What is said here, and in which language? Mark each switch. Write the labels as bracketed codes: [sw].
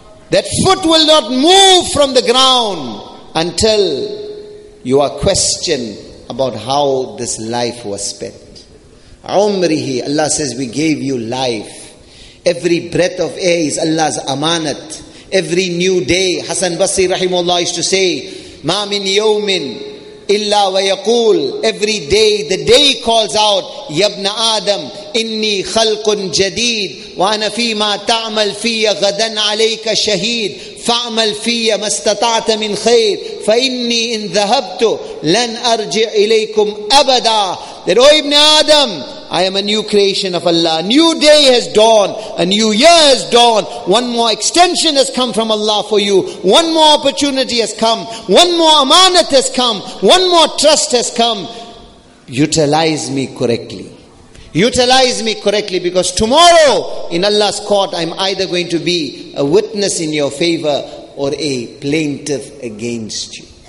[en] That foot will not move from the ground until you are questioned about how this life was spent. Umrihi, Allah says, we gave you life. Every breath of air is Allah's amanat. Every new day, Hasan Basri rahimullah used to say, [ar] مَا مِنْ يَوْمٍ إِلَّا وَيَقُولُ [en] Every day, the day calls out, [ar] يَبْنَ آدَمْ إِنِّي خَلْقٌ جَدِيدٌ وَأَنَا فِي مَا تَعْمَلْ فِيَّ غَدًا عَلَيْكَ شَهِيدٌ فَأَعْمَلْ فِيَّ مَا اسْتَطَعْتَ مِنْ خَيْرٍ فَإِنِّي إِنْ ذَهَبْتُ لَنْ أَرْجِعْ إِلَيْكُمْ أَبَدًا [en] That, O Ibn Adam, I am a new creation of Allah. New day has dawned. A new year has dawned. One more extension has come from Allah for you. One more opportunity has come. One more amanat has come. One more trust has come. Utilize me correctly. Utilize me correctly, because tomorrow in Allah's court, I'm either going to be a witness in your favor or a plaintiff against you.